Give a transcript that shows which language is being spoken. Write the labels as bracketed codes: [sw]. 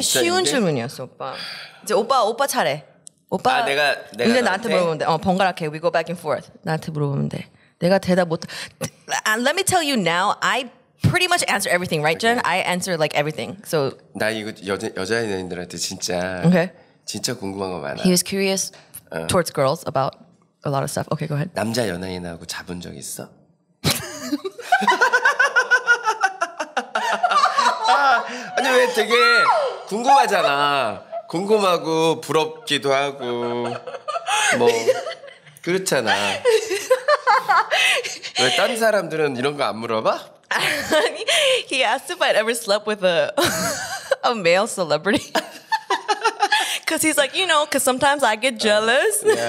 [ko] 쉬운 질문이었어, 오빠. 이제 오빠 차례. 오빠, 내가 이제 나한테 물어보면 돼. 번갈아게, [en] we go back and forth. [ko] 나한테 물어보면 돼. 내가 대답 못... [en] Let me tell you now, I... Pretty much answer everything, right, Jen? Okay. I answer like everything. So. [ko] 나 이거 여자애들한테 진짜 [en] okay. [ko] 진짜 궁금한 거 많아. [en] He was curious towards girls about a lot of stuff. Okay, go ahead. [ko] 남자 연예인하고 잡은 적 있어? 아니 왜 되게 궁금하잖아. 궁금하고 부럽기도 하고 뭐 그렇잖아. 왜 딴 사람들은 이런 거 안 물어봐? [en] He asked if I'd ever slept with a male celebrity. Because he's like, you know, because sometimes I get jealous.